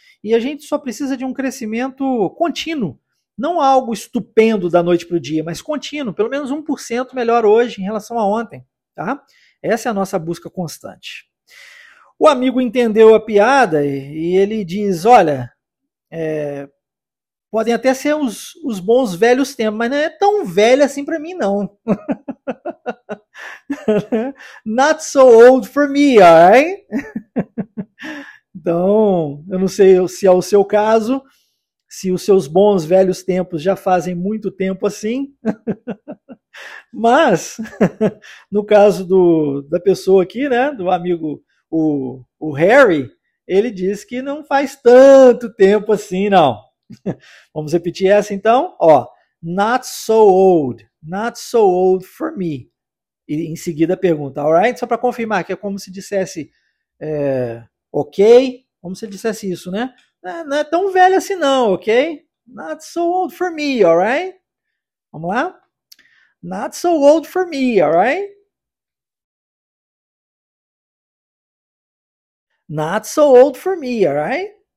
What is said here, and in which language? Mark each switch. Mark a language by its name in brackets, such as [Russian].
[Portuguese] E a gente só precisa de um crescimento contínuo, não algo estupendo da noite para o dia, mas contínuo, pelo menos 1% melhor hoje em relação a ontem, tá? Essa é a nossa busca constante. O amigo entendeu a piada e ele diz: Olha, podem até ser os bons velhos tempos, mas não é tão velho assim para mim, não. [English] Not so old for me, alright? [Portuguese] Então, eu não sei se é o seu caso, se os seus bons velhos tempos já fazem muito tempo assim, mas no caso da pessoa aqui, né, do amigo o Harry, ele diz que não faz tanto tempo assim, não. Vamos repetir essa então? Ó, [English] not so old for me. [Portuguese] E em seguida pergunta, [English] all right? [Portuguese] Só para confirmar que é como se dissesse ok, como se ele dissesse isso, né? Não é tão velho assim não, ok? [English] Not so old for me, all right? Vamos lá? Not so old for me, all right? Not so old for me, all right?